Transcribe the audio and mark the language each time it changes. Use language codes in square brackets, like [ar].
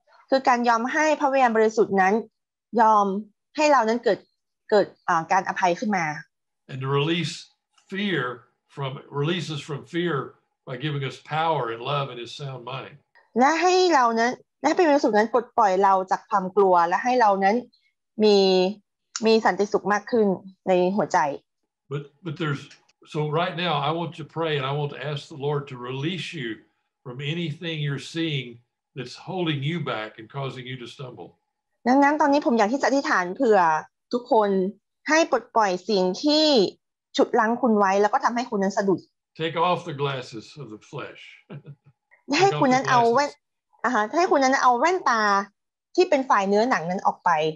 [th] คือการยอมให้พระวิญญาณบริสุทธิ์นั้นยอมให้เรานั้นเกิดการอภัยขึ้นมา [en] And to release fear from releases from fear. By giving us power and love and His sound mind. [th] และให้เรานั้นและให้เป็นความสุขนั้นปลดปล่อยเราจากความกลัวและให้เรานั้นมีสันติสุขมากขึ้นในหัวใจ [en] But there's so right now I want to pray and I want to ask the Lord to release you from anything you're seeing that's holding you back and causing you to stumble. [th] ดังนั้นตอนนี้ผมอยากที่จะอธิษฐานเผื่อทุกคนให้ปลดปล่อยสิ่งที่ฉุดรั้งคุณไว้แล้วก็ทำให้คุณนั้นสะดุด [en] Take off the glasses of the flesh. [th] ให้คุณนั้นเอาแว่นให้คุณนั้นเอาแว่นตาที่เป็นฝ่ายเนื้อหนังนั้นออกไป